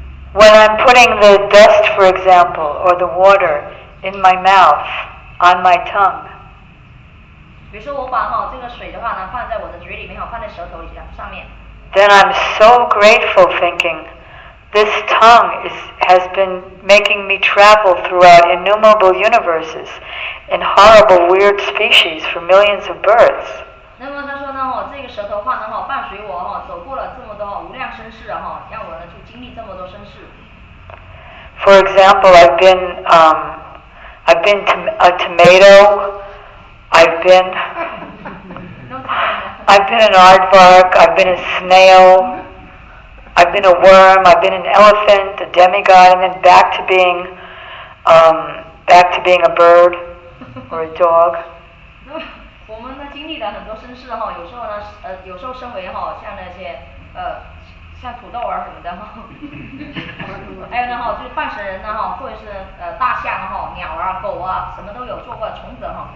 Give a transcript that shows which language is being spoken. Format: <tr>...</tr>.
<en>When I'm putting the dust, for example, or the water in my mouth, on my tongue,</en> <zh>比如说我把这个水的话呢放在我的嘴里面放在舌头上面。</zh> <en>Then I'm so grateful thinking, this tongue has been making me travel throughout innumerable universes in horrible weird species for millions of births.</en> <zh>那么他说呢这个舌头话呢伴随我走过了这么多无量生世让我呢就经历这么多生世。</zh> <en>For example, I've been a tomato, I've been an aardvark, I've been a snail, I've been a worm, I've been an elephant, a demigod, and then back to being a bird or a dog.</en> <zh>我们呢经历了很多身世有时候呢有时候身为像那些像土豆儿什么的还有呢就是半神人呢或者是大象鸟啊狗啊什么都有做过虫子</zh>